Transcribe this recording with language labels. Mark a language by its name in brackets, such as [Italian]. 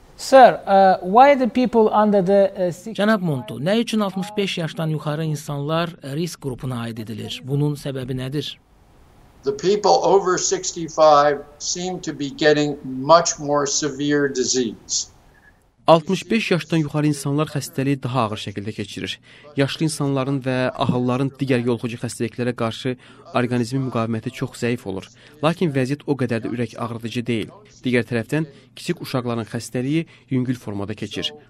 [English] Sir, why the people under the 65? [Azerbaijani] Cənab Monto, nə üçün 65 yaşdan yuxarı insanlar risk qrupuna aid edilir? Bunun səbəbi nədir? [English] The people over 65 seem to be getting much more severe disease. [Azerbaijani] 65 yaşdan yuxarı insanlar xəstəliyi daha ağır şəkildə keçirir. Yaşlı insanların və ahılların digər yoluxucu xəstəliklərə qarşı orqanizmin müqaviməti çox zəif olur. Lakin vəziyyət o qədər də ürək ağrıdıcı deyil. Digər tərəfdən, kiçik uşaqların xəstəliyi yüngül formada keçir.